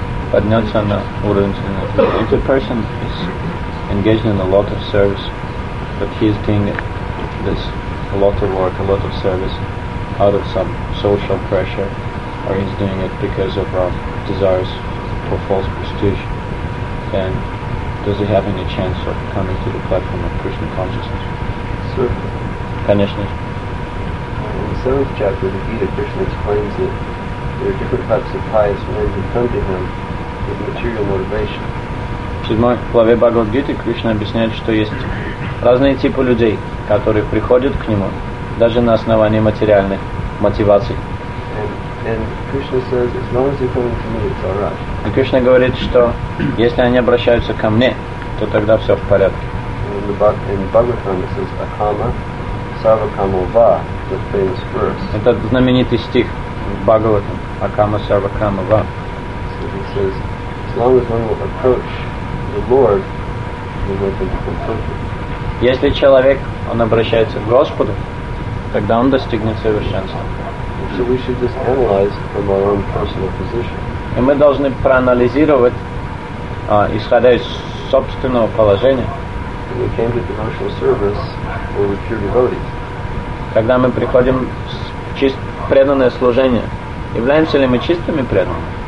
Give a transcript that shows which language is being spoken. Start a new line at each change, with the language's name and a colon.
Russian: Подняться на уровень сознания.
English: If a person is engaged in a lot of service, but he is doing this a lot of work, a lot of service out of some social pressure, or he's doing it because of desires for false prestige, then does he have any chance of coming to the platform of Krishna consciousness? Certainly.
Russian: Конечно.
English: In the 7th chapter, the Gita, Krishna explains that there are different types of pious men who come to him with material motivation.
Russian: В 7 главе Бхагавад-гиты Кришна объясняет, что есть разные типы людей, которые приходят к нему даже на основании материальных мотиваций.
English: And Krishna says, as long as they're coming to me, it's all right.
Russian: И Кришна говорит, что если они обращаются ко мне, то тогда все в порядке.
English: In Bhagavatam it says,
Sanskrit: akama sarvakamo va,
English: the famous verse.
Russian: Это знаменитый стих в Бхагаватам,
Sanskrit: akama sarvakamo va.
English: So he says, as long as one will approach the Lord, then they can become perfect.
Russian: Если человек, он обращается к Господу, тогда он достигнет совершенства.
English: So we should just analyze from our own personal position.
Russian: И мы должны проанализировать, исходя из собственного положения.
English: When we came to devotional service, we were pure devotees.
Russian: Когда мы приходим в преданное служение, являемся ли мы чистыми преданными?